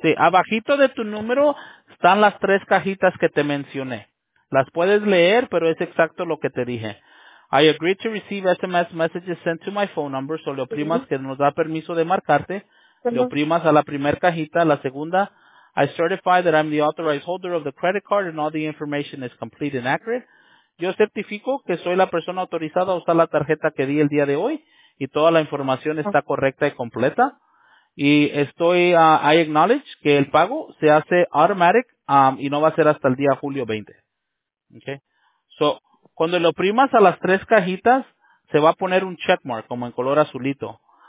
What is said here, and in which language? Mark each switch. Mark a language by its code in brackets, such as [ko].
[es] Sí, abajito de tu número están las tres cajitas que te mencioné. Las puedes leer, pero es exacto lo que te dije. [en] I agree to receive SMS messages sent to my phone number. [es] So le oprimas que nos da permiso de marcarte. Le oprimas a la primera cajita, la segunda. [en] I certify that I'm the authorized holder of the credit card and all the information is complete and accurate. [es] Yo certifico que soy la persona autorizada a usar la tarjeta que di el día de hoy. Y toda la información está correcta y completa. Y estoy, [en] I acknowledge [es] que el pago se hace automatic y no va a ser hasta el día julio 20. Okay. So, cuando lo oprimas a las tres cajitas, se va a poner un checkmark, como en color azulito.